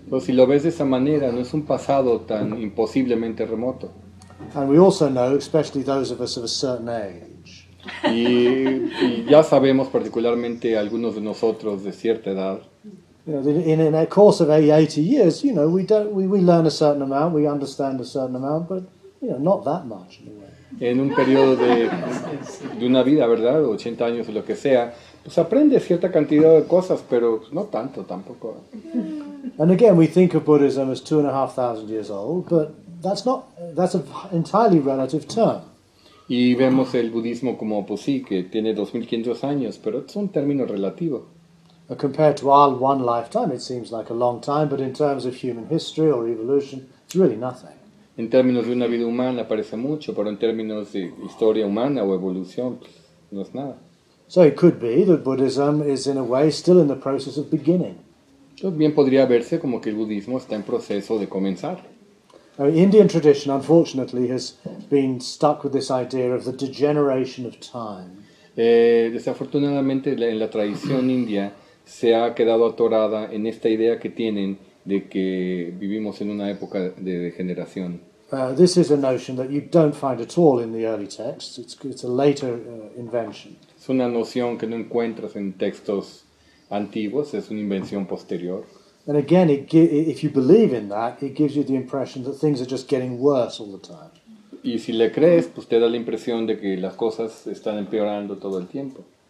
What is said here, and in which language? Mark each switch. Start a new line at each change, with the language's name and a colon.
Spanish: Pues si lo ves de esa manera, no es un pasado tan imposiblemente remoto.
English: And we also know, especially those of us of a certain age.
Spanish: Y ya sabemos particularmente algunos de nosotros de cierta edad.
English: You know, in a course of 80 years, you know, we learn a certain amount, we understand a certain amount, but you know, not that much anyway.
Spanish: En un periodo de una vida, ¿verdad? 80 años o lo que sea. Pues aprende cierta cantidad de cosas, pero no tanto tampoco.
English: And again, we think of Buddhism as 2,500 years old, but that's an entirely relative term.
Spanish: Y vemos el budismo como, pues sí, que tiene 2,500 años, pero es un término relativo.
English: But compared to our one lifetime, it seems like a long time, but in terms of human history or evolution, it's really nothing.
Spanish: En términos de una vida humana parece mucho, pero en términos de historia humana o evolución, pues, no es nada.
English: So it could be that Buddhism is in a way still in the process of beginning.
Spanish: Bien podría verse como que el budismo está en proceso de comenzar.
English: Now, Indian tradition, unfortunately, has been stuck with this idea of the degeneration of time.
Spanish: Desafortunadamente, en la tradición india se ha quedado atorada en esta idea que tienen de que vivimos en una época de degeneración.
English: This is a notion that you don't find at all in the early texts. It's a later invention.
Spanish: Es una noción que no encuentras en textos antiguos, es una invención posterior.
English: And again, if you believe in that, it gives you the impression that things are just getting worse all the time.
Spanish: Y si le crees, pues te da la impresión de que las cosas están empeorando todo el tiempo.